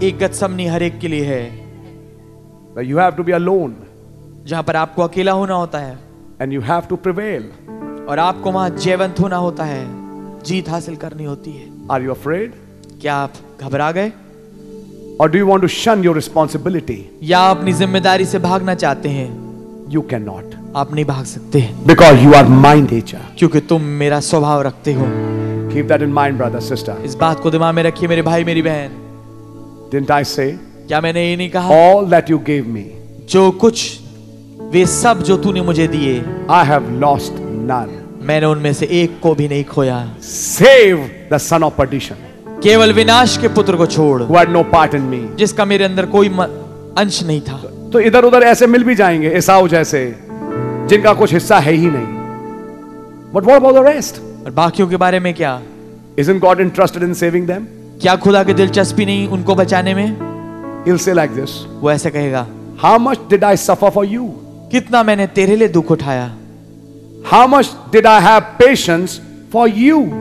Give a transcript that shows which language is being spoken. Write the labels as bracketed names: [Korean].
[Hindi] एक गतसमनी हर एक के लिए है. [English] But you have to be alone. [Hindi] जहां पर आपको अकेला होना होता है. [English] And you have to prevail. [Hindi] और आपको वहां जयवंत होना होता है, जीत हासिल करनी होती है. [English] Are you afraid? [Hindi] क्या आप घबरा गए? [English] Or do you want to shun your responsibility? [Hindi] या अपनी जिम्मेदारी से भागना चाहते हैं? [English] You cannot. [Hindi] आप नहीं भाग सकते. [English] Because you are my nature. [Hindi] क्योंकि तुम मेरा स्वभाव रखते हो. [English] Keep that in mind, brother, sister. [Hindi] इस बात को दिमाग में रखिए मेरे भाई मेरी बहन. [English] Didn't I say? [Hindi] क्या मैंने ये नहीं कहा? [English] All that you gave me, [Hindi] जो कुछ वे सब जो तूने मुझे दिए, [English] I have lost none, [Hindi] मैंने उनमें से एक को भी नहीं खोया, [English] save the son of perdition, [Hindi] केवल विनाश के पुत्र को छोड़, [English] who had no part in me, [Hindi] जिसका मेरे अंदर कोई अंश नहीं था। तो इधर उधर ऐसे मिल भी जाएंगे एसाव जैसे जिनका कुछ हिस्सा है ही नहीं, [English] but what about the rest, [Hindi] और बाकियों के बारे में क्या? [English] Isn't God interested in saving them? [Hindi] क्या खुदा की दिलचस्पी नहीं उनको बचाने में? [English] He'll say like this, [Hindi] वो ऐसे कहेगा, [English] How much did I suffer for you? [Hindi] कितना मैंने तेरे लिए दुख उठाया? [English] How much did I have patience for you?